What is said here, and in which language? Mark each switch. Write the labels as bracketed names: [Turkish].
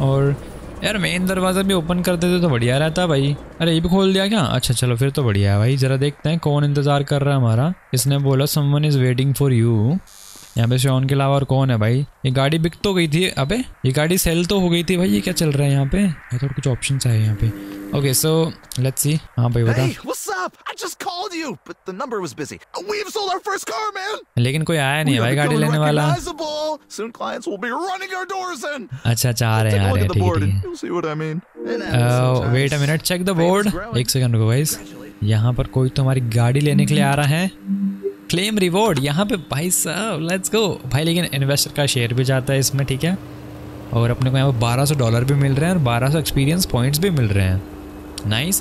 [Hindi] और यार मेन दरवाज़ा भी ओपन कर देते तो बढ़िया रहता भाई. अरे ये भी खोल दिया क्या. अच्छा चलो फिर तो बढ़िया है भाई. जरा देखते हैं कौन इंतज़ार कर रहा है हमारा. इसने बोला [English] Someone is waiting for you. [Hindi] यहाँ पे शॉन के अलावा और कौन है भाई. ये गाड़ी बिक तो गई थी, अबे ये गाड़ी सेल तो हो गई थी भाई, ये क्या चल रहा है यहाँ पे. आई थॉट कुछ ऑप्शन आए यहाँ पे. [English] Okay so let's see. [Hindi] हाँ भाई बता. [English] Hey, what's up? I just called you, but the number was busy. We've sold our first car, man. [Hindi] लेकिन कोई आया नहीं भाई गाड़ी लेने वाला. [English] Soon clients will be running our doors in. [Hindi] अच्छा चाह रहे हैं यार, ठीक है. [English] See what I mean? Wait a minute, check the board. [Hindi] एक सेकंड रुको गाइस. यहाँ पर कोई तो हमारी गाड़ी लेने के लिए आ रहा है. क्लेम रिवॉर्ड यहाँ पे भाई साहब, [English] let's go [Hindi] भाई. लेकिन इन्वेस्टर का शेयर भी जाता है इसमें ठीक है. और अपने को यहाँ पे $1200 भी मिल रहे हैं और 1200 एक्सपीरियंस पॉइंट्स भी मिल रहे हैं. नाइस.